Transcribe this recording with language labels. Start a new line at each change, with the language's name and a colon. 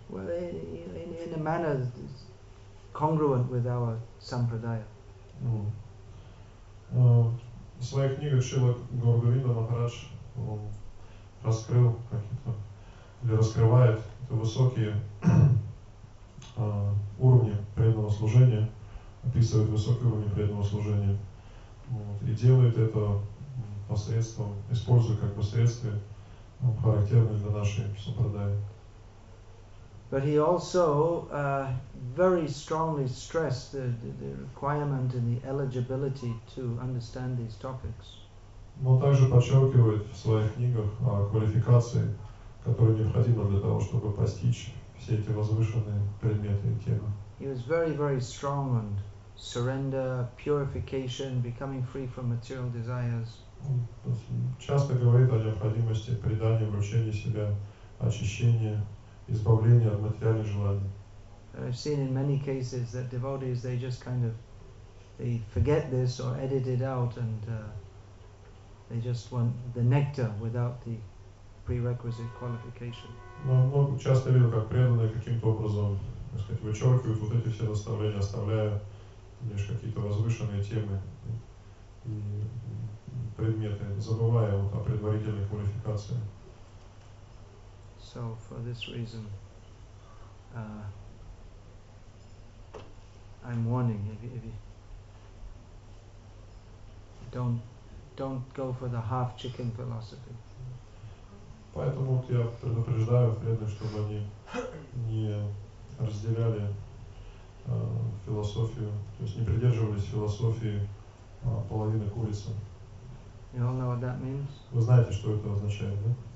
English: Well, in a manner that's congruent with our sampradaya.
Russian: В своих книгах Шрила Гаурагавинда Махарадж раскрыл какие-то или раскрывает высокие уровни преданного служения, описывает высокие уровни преданного служения, и делает это посредством, используя как посредство характерное для нашей сампрадаи.
English: But he also very strongly stressed the requirement and the eligibility to understand these topics.
Russian: Но также подчеркивает в своих книгах квалификации, которые необходимы для того, чтобы постичь все эти возвышенные предметы и темы.
English: He was very, very strong on surrender, purification, becoming free from material desires.
Russian: Он часто говорит о необходимости предания, вручения себя, очищения, избавления от материальных желаний.
English: I've seen in many cases that devotees, they just kind of, they forget this or edit it out and they just want the nectar without the prerequisite qualification.
Russian: Но часто видел, как преданные каким-то образом, так сказать, вычеркивают вот эти все наставления, оставляя лишь какие-то возвышенные темы и предметы, забывая вот о предварительной квалификации.
English: So for this reason, I'm warning if you don't go for the half chicken philosophy.
Russian: Поэтому вот я предупреждаю преданных, чтобы они не разделяли философию, то есть не придерживались философии половины курицы.
English: You all know what that means?
Russian: Вы знаете, что это означает, да?